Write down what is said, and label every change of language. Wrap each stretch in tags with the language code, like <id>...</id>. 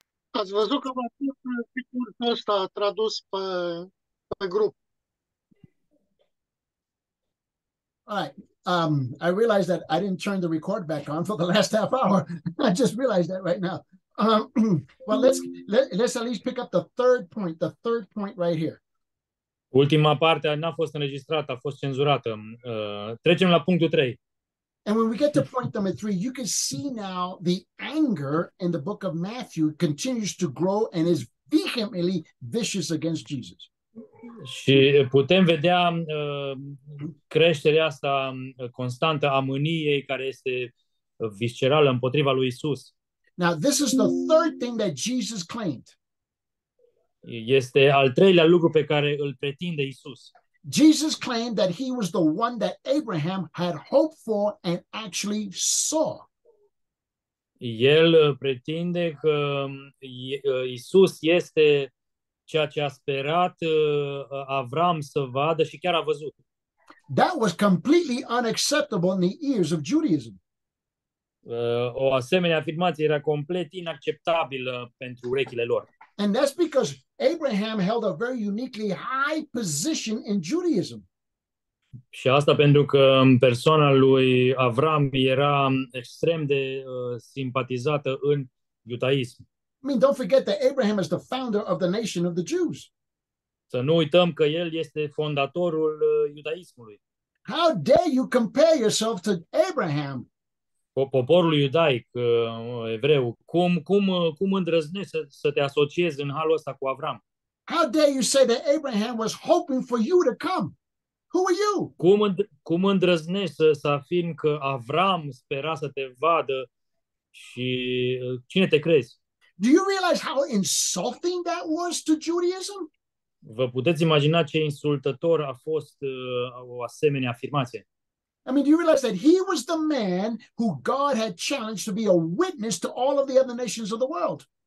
<ro>Ați văzut că v-a fost picurul ăsta tradus pe grup.</ro> <en>I realized that I didn't turn the record back on for the last half hour. I just realized that right now. Well, let's at least pick up the third point right here.</en> <ro>Ultima parte n-a fost înregistrată, a fost cenzurată. Trecem la punctul 3.</ro> <en>And when we get to point number three, you can see now the anger in the book of Matthew continues to grow and is vehemently vicious against Jesus.</en> <ro>Și putem vedea creșterea asta constantă a mâniei care este viscerală împotriva lui Isus.</ro> <en>Now, this is the third thing that Jesus claimed.</en> <ro>Este al treilea lucru pe care îl pretinde Isus.</ro> <en>Jesus claimed that he was the one that Abraham had hoped for and actually saw.</en> <ro>El pretinde că Isus este ceea ce a sperat Avram să vadă și chiar a văzut.</ro> <en>That was completely unacceptable in the ears of Judaism.</en> <ro>O asemenea afirmație era complet inacceptabilă pentru urechile lor.</ro> <en>And that's because Abraham held a very uniquely high position in Judaism.</en> <ro>Și asta pentru că persoana lui Avram era extrem de simpatizată în iudaism.</ro> <en>I mean, don't forget that Abraham is the founder of the nation of the Jews.</en> <ro>Să nu uităm că el este fondatorul iudaismului.</ro> <en>How dare you compare yourself to Abraham?</en> <ro>Poporul iudaic, evreu, cum îndrăznești să te asociezi în halul ăsta cu Avram?</ro> <en>How dare you say that Abraham was hoping for you to come? Who are you?</en> <ro>Cum îndrăznești să afirmi că Avram spera să te vadă și cine te crezi?</ro> <en>Do you realize how insulting that was to Judaism?</en> <ro>Vă puteți imagina ce insultător a fost o asemenea afirmație?</ro> <en>I mean, do you realize that he was the man who God had challenged to be a witness to all of the other nations of the world?</en>